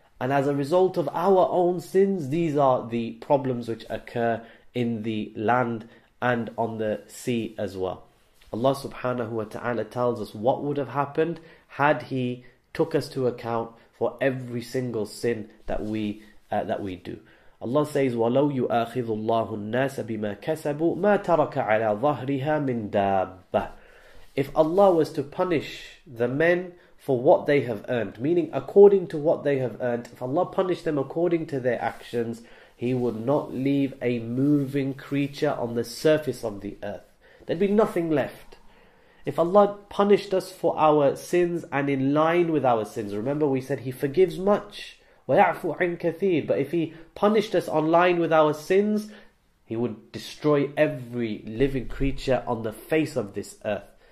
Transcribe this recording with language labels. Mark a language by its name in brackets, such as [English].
[English] And as a result of our own sins, these are the problems which occur in the land and on the sea as well. Allah subhanahu wa ta'ala tells us what would have happened had He took us to account for every single sin that we do. Allah says, [Arabic] وَلَوْ يُؤَخِذُ اللَّهُ النَّاسَ بِمَا كَسَبُوا مَا تَرَكَ عَلَىٰ ظَهْرِهَا مِنْ دَابَّةٍ. [English] If Allah was to punish the men for what they have earned, meaning according to what they have earned, if Allah punished them according to their actions, He would not leave a moving creature on the surface of the earth. There'd be nothing left. If Allah punished us for our sins and in line with our sins, remember we said He forgives much, [Arabic] وَيَعْفُ عَنْ كَثِيرٍ, [English] but if He punished us on line with our sins, He would destroy every living creature on the face of this earth.